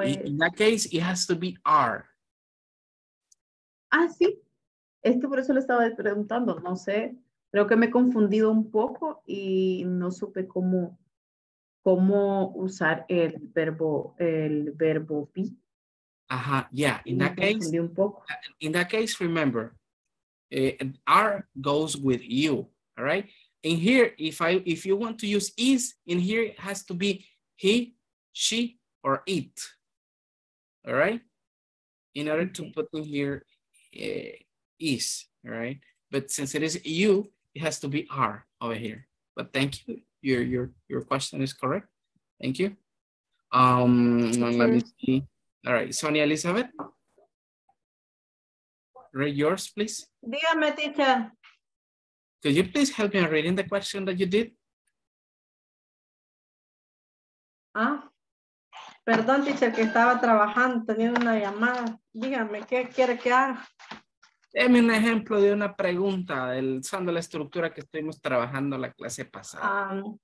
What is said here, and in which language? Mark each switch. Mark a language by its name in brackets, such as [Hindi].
[English] In that case, it has to be are. [Spanish] Ah, sí. Es que por eso le estaba preguntando. No sé. Creo que me he confundido un poco y no supe cómo. ¿Cómo usar el verbo be? [English] Ajá, yeah. In that case, [Spanish] un poco. [English] In that case, remember, are goes with you, all right? In here, if you want to use is, in here it has to be he, she, or it, all right? In order to put in here is, all right? But since it is you, it has to be are over here. But thank you. Your question is correct. Thank you. Let me see. All right, Sonia Elizabeth. Read yours, please. [Spanish] Dígame, teacher. [English] Could you please help me reading the question that you did? [Spanish] Ah, perdón, teacher, que estaba trabajando, teniendo una llamada. Dígame, ¿qué quiere que haga? Deme un ejemplo de una pregunta, usando la estructura que estuvimos trabajando la clase pasada.